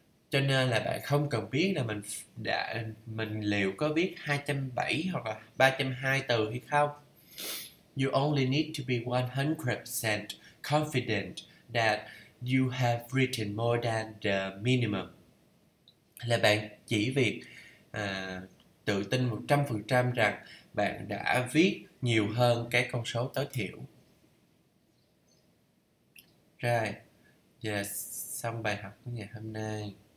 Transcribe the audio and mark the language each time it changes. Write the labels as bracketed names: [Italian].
[Vietnamese] Cho nên là bạn không cần biết là mình liệu có viết 270 hoặc là 302 từ hay không. [English] You only need to be 100% confident that you have written more than the minimum. [Vietnamese] Là bạn chỉ việc tự tin 100% rằng bạn đã viết nhiều hơn cái con số tối thiểu. [English] Right. [Vietnamese] Giờ xong bài học của ngày hôm nay.